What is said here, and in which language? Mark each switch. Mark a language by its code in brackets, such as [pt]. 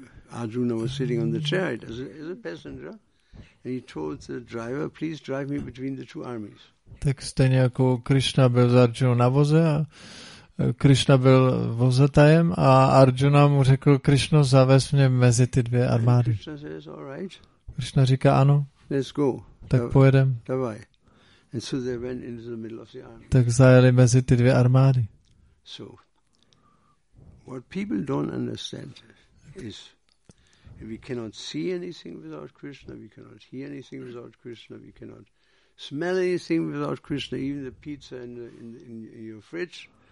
[en] Arjuna was sitting on the chariot as a passenger, and he told the driver, "Please drive me between the two armies." [cs] Tak stejně jako Krishna byl s Arjunou na voze a Krishna byl vozetajem a Arjuna mu řekl, Krishna, zavez mě mezi ty dvě armády. [en] Krishna says, "All right." [cs] Krishna říká, ano. [en] Let's go. [cs] Tak pojedem. [ru] Davai. [en] And so they went into the middle of the army. [cs] Tak zajeli mezi ty dvě armády. [en] So, what people don't understand is we cannot see anything without Krishna, we cannot hear anything without Krishna, we cannot smell anything without Krishna, even the pizza in your fridge.